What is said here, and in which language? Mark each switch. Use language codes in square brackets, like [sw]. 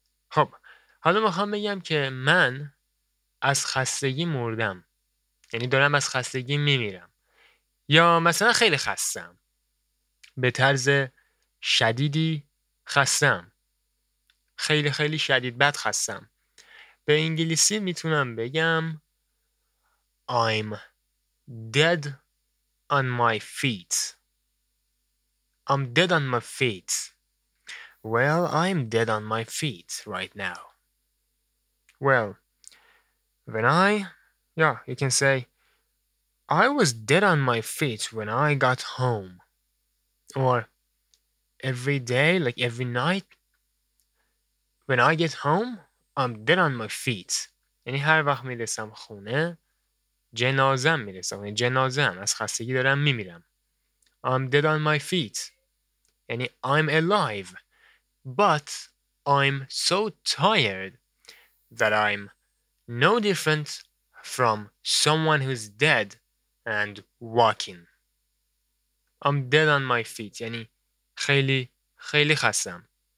[fa] خب حالا میخوام بگم که من از خستگی مردم، یعنی دارم از خستگی میمیرم، یا مثلا خیلی خستم، به طرز شدیدی خستم، خیلی خیلی شدید بد خستم. به انگلیسی میتونم بگم [en] I'm dead on my feet. I'm dead on my feet. Well, I'm dead on my feet right now. Well, when I... Yeah, you can say I was dead on my feet when I got home. Or every day, like every night, when I get home, I'm dead on my feet. [fa] یعنی هر وقت میرسم خونه جنازم میرسم، یعنی جنازم، از خستگی دارم میمیرم. [en] I'm dead on my feet. یعنی I'm alive, but I'm so tired that I'm no different from someone who's dead and walking. I'm dead on my feet. [fa] یعنی خیلی خیلی خستم.